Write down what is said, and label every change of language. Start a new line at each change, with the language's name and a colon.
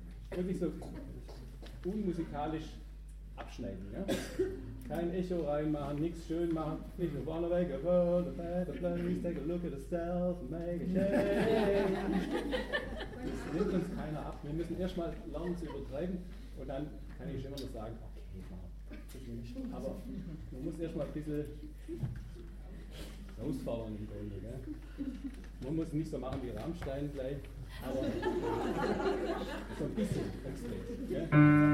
German: Wirklich so unmusikalisch abschneiden. Ja? Kein Echo reinmachen, nichts schön machen.
English: If you wanna make a world a better place, take a look at yourself and make a change.
German: Das nimmt uns keiner ab. Wir müssen erstmal lernen zu übertreiben und dann kann ich immer nur sagen, okay, aber man muss erstmal ein bisschen rausfahren im Grunde. Gell? Man muss nicht so machen wie Rammstein gleich. Aber so ein bisschen extrem.